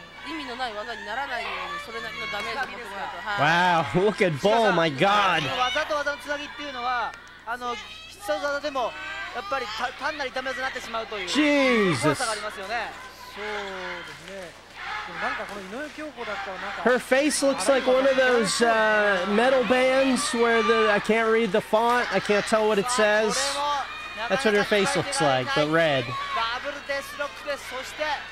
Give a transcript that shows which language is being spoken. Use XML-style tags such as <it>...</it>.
<ja>意味のない技にならないようにそれなりのダメージを持ってこないと。</ja> <en>はい、Wow, look at Bo, my God!</en> <ja>技と技のつなぎっていうのは、あの必殺技でもやっぱり単なる痛み技になってしまうという</ja> <en>Jesus!</en> <ja>怖さがありますよね。そうですね。なんかこの井上京子だったらなんか</ja> <en>Her face looks like one of those metal bands where the I can't read the font, I can't tell what it says. That's what her face looks like, but red.</en> <ja>ダブルデスロックです。そして</ja>